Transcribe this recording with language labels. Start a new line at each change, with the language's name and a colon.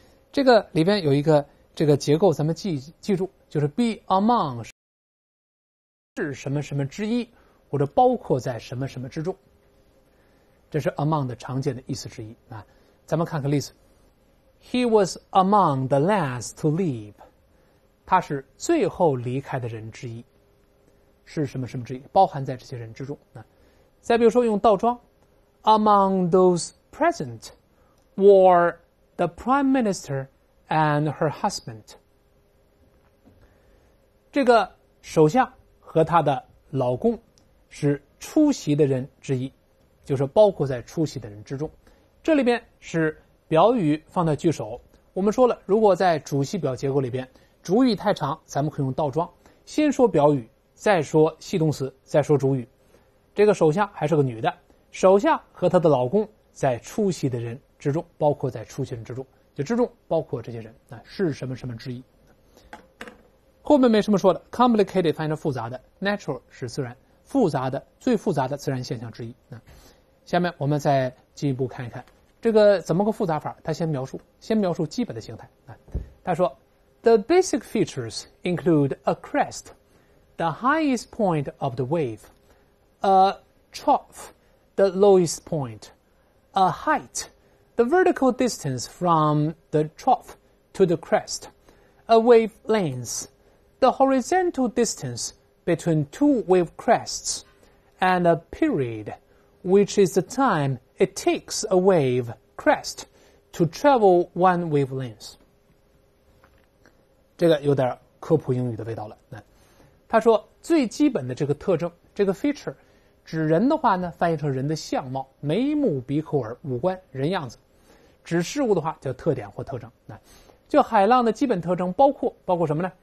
Chinese: 这个里边有一个这个结构咱们记住，就是
English: be among
Chinese: 是什么什么之一，或者包括在什么什么之中。这是 among 的常见的意思之一。咱们看看例子。
English: He was among the last to leave.
Chinese: 他是最后离开的人之一。是什么什么之一，包含在这些人之中。再比如说用倒装。
English: Among those present were the Prime Minister and her husband.
Chinese: 这个首相和他的老公是出席的人之一，就是包括在出席的人之中。这里边是表语放在句首。我们说了，如果在主系表结构里边，主语太长，咱们可以用倒装，先说表语，再说系动词，再说主语。这个首相还是个女的。首相和他的老公在出席的人之中，包括在出席人之中，就之中包括这些人，是什么什么之一。后面没什么说的， complicated 翻译成复杂的， natural 是自然，复杂的最复杂的自然现象之一。下面我们再进一步看一看这个怎么个复杂法。他先描述基本的形态。
English: 他说 The basic features include a crest, the highest point of the wave, a troughThe lowest point, a height, the vertical distance from the trough to the crest, a wavelength, the horizontal distance between two wave crests, and a period, which is the time it takes a wave crest to travel one wavelength.
Chinese: 这个有点科普英语的味道了。他说最基本的这个特征，这个 feature,指人的话呢，翻译成人的相貌，眉目鼻口耳，五官，人样子。指事物的话叫特点或特征。就海浪的基本特征包括什么呢？